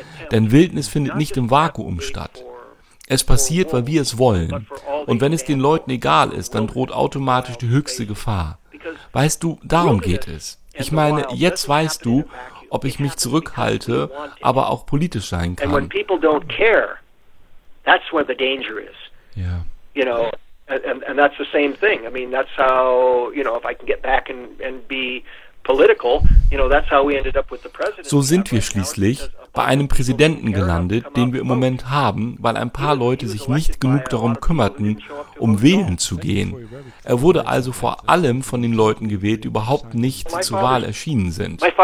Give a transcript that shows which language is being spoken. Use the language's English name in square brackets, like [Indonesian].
[German] Denn Wildnis findet nicht im Vakuum statt. Es passiert, weil wir es wollen. Und wenn es den Leuten egal ist, dann droht automatisch die höchste Gefahr. Weißt du, darum geht es. Ich meine, jetzt weißt du, ob ich mich zurückhalte, aber auch politisch sein kann. [English] And when people don't care, that's where the danger is. Yeah. You know, and that's the same thing. I mean, that's how, you know, if I can get back and be political, you know, that's how we ended up with the president. [German] So sind wir schließlich bei einem Präsidenten gelandet, den wir im Moment haben, weil ein paar Leute sich nicht genug darum kümmerten, um wählen zu gehen. Er wurde also vor allem von den Leuten gewählt, die überhaupt nicht zur Wahl erschienen sind.